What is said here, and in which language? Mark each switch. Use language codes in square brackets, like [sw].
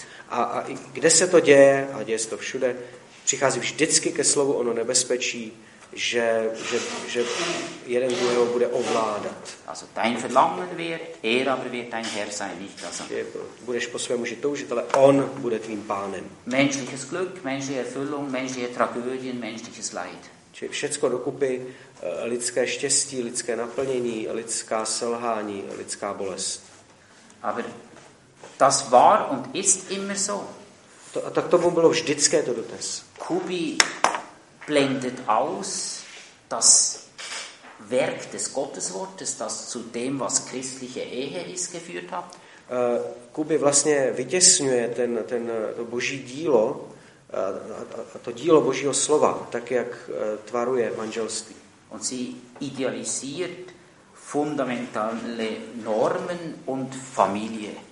[cs] A kde se to děje, a děje se to všude, přichází vždycky ke slovu ono nebezpečí, že jeden druhého bude ovládat. [de] Also dein Verlangen wird, er aber wird dein Herr sein, nicht das. [cs] Budeš po svém muži toužit, ale on bude tvým pánem. [de] Menschliches Glück, menschliche Erfüllung, menschliche Tragödien, menschliches Leid. [cs] Čili všecko dokupy, lidské štěstí, lidské naplnění, lidská selhání, lidská bolest. [de] Aber das war und ist immer so. [cs] A tak tomu bylo vždycké to dotes. [de] Kubi blendet aus das Werk des Gotteswortes, das zu dem, was christliche Ehe ist, geführt hat. [cs] Kuby vlastně vytěsňuje ten boží dílo, to dílo božího slova, tak jak tvaruje manželství. [de] Und sie idealisiert fundamentale Normen und Familie.